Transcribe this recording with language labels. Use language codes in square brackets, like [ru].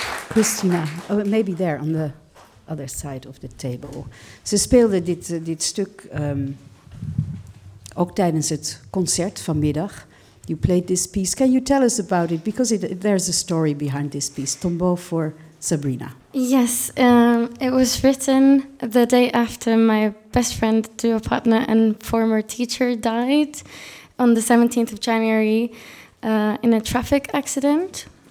[en] Christina, oh, maybe there on the other side of the table. [nl] Ze speelde dit stuk ook tijdens het concert vanmiddag. [en] You played this piece. Can you tell us about it? Because there's a story behind this piece. Tombeau for Sabrina. Yes, it was written the day after my best friend, duo partner, and former teacher died on the 17th of January in a traffic accident.